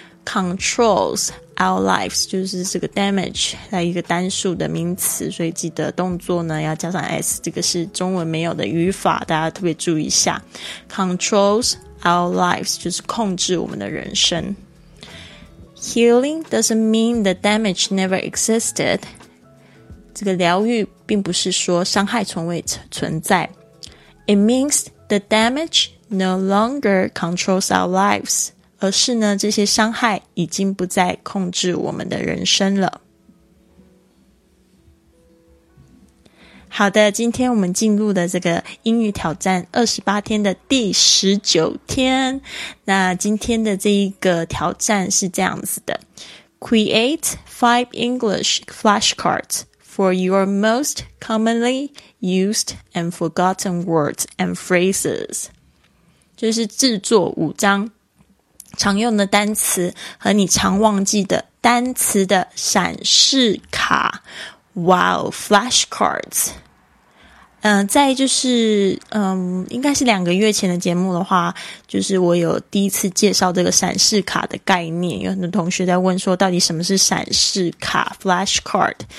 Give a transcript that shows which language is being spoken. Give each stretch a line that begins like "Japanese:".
English: Controls our lives
Chinese: 就是这个 damage 来一个单数的名词，所以记得动作呢要加上 S， 这个是中文没有的语法，大家特别注意一下。
English: Controls our lives
Chinese: 就是控制我们的人生。
English: Healing doesn't mean the damage never existed.
Chinese: 这个疗愈并不是说伤害从未存在。
English: It means the damage no longer controls our lives，
Chinese: 而是呢这些伤害已经不再控制我们的人生了。好的，今天我们进入的这个英语挑战28天的第19天。那今天的这一个挑战是这样子的，
English: Create 5 English flashcardsfor your most commonly used and forgotten words and phrases.
Chinese: 就是制作五张常用的单词和你常忘记的单词的闪示卡。
English: Wow, flashcards.
Chinese: 再就是应该是两个月前的节目的话，就是我有第一次介绍这个闪示卡的概念，有很多同学在问说到底什么是闪示卡 flashcard。